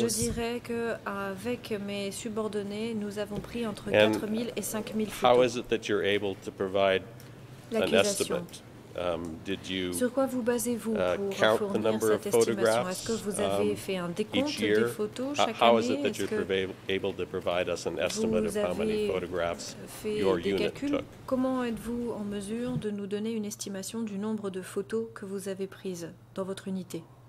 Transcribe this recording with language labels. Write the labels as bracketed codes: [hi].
[fr] Je dirais que avec mes subordonnés, nous avons pris entre 4,000 et 5,000 photos. [en] How is it that you're able to provide an estimate? Did you [fr] sur quoi vous basez-vous pour fournir cette estimation? Est-ce que vous avez fait un décompte des photos chaque année? [en] How is it that you're able to provide us an estimate of how many photographs your unit took? [fr] Comment êtes-vous en mesure de nous donner une estimation du nombre de photos que vous avez prises dans votre unité?